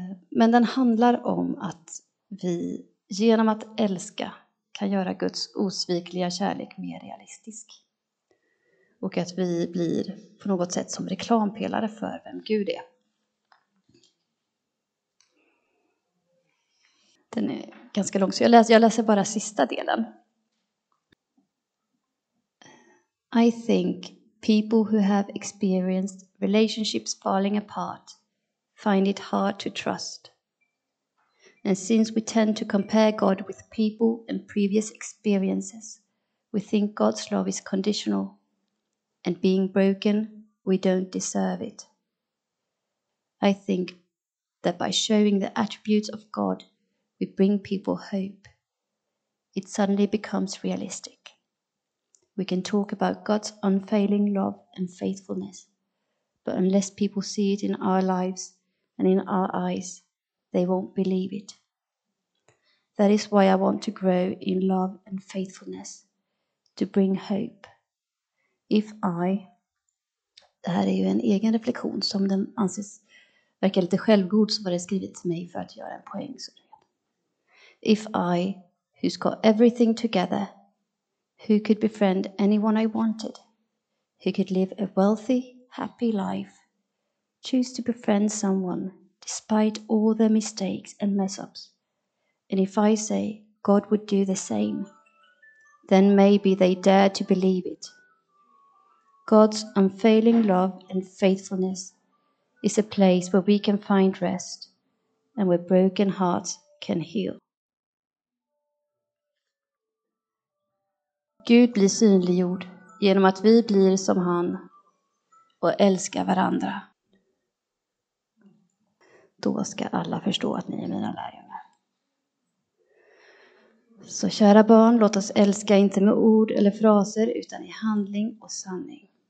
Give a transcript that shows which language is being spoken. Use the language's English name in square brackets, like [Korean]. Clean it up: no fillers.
[Swedish] Men den handlar om att vi genom att älska kan göra Guds osvikliga kärlek mer realistisk. Och att vi blir på något sätt som reklampelare för vem Gud är. Den är ganska lång, så jag läser bara sista delen. [English] I think people who have experienced relationships falling apart find it hard to trust. And since we tend to compare God with people and previous experiences, we think God's love is conditional. and being broken, we don't deserve it. I think that by showing the attributes of God, we bring people hope. It suddenly becomes realistic. We can talk about God's unfailing love and faithfulness, but unless people see it in our lives and in our eyes, they won't believe it. That is why I want to grow in love and faithfulness, to bring hope. If I, [Swedish] det här är ju en egen reflektion som den anses verkar lite självgod, så var det skrivet till mig för att göra en poäng. [English] If I, who's got everything together, who could befriend anyone I wanted, who could live a wealthy, happy life, choose to befriend someone despite all their mistakes and mess-ups, and if I say God would do the same, then maybe they dare to believe it. God's unfailing love and faithfulness is a place where we can find rest and where broken hearts can heal. [Swedish] Gud blir synliggjord genom att vi blir som han och älskar varandra. Då ska alla förstå att ni är mina lärjungar. Så kära barn, låt oss älska inte med ord eller fraser utan i handling och sanning.